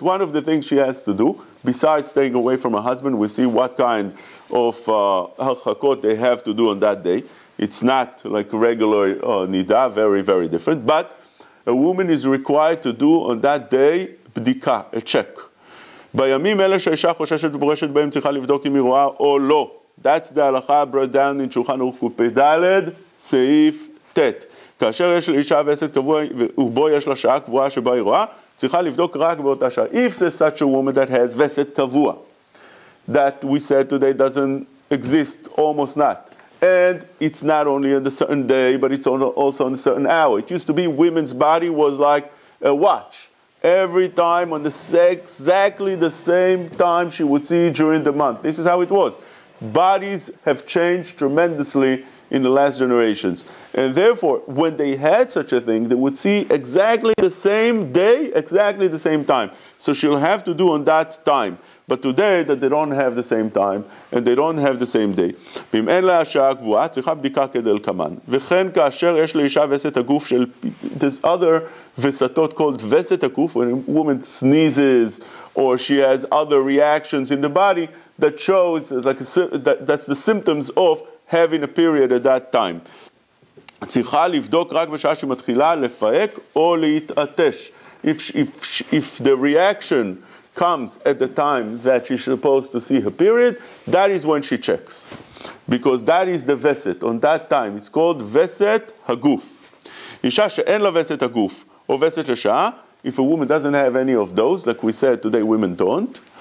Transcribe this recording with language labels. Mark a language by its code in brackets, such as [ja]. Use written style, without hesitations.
[en] One of the things she has to do, besides staying away from her husband, we'll see what kind of halchakot they have to do on that day. It's not like regular nida, very, very different. But a woman is required to do on that day bdika, a check. [he] בימים אלה שהאישה חוששת ופורשת בהם צריכה לבדוק אם היא רואה או לא. [en] That's the halacha brought down in Shulchan Aruch Kupe Daled, סעיף ט. [he] כאשר יש לאישה וסת קבוע ובו יש לה שעה קבועה שבה היא רואה, צריכה לבדוק רק באותה שעה. [en] If there's such a woman that has וסת קבוע, that we said today doesn't exist, almost not. And it's not only on a certain day, but it's also on a certain hour. It used to be women's body was like a watch. Every time on the exactly the same time she would see during the month. This is how it was. Bodies have changed tremendously in the last generations. And therefore, when they had such a thing, they would see exactly the same day, exactly the same time. So she'll have to do on that time. But today, that they don't have the same time, and they don't have the same day. [he] ואם אין לה השעה קבועה, צריכה בדיקה כדלקמן. וכן כאשר יש לאישה וסת הגוף של... [en] There's other וסתות called וסת הגוף, when a woman sneezes, or she has other reactions in the body, that shows, like, that's the symptoms of having a period at that time. [he] צריכה לבדוק רק בשעה שמתחילה לפעק או להתעטש. [en] If the reaction comes at the time that she's supposed to see her period, that is when she checks. Because that is the veset, on that time. It's called veset haguf. [he] Isha she'en la veset haguf, [en] or veset l'sha'a, if a woman doesn't have any of those, like we said today, women don't.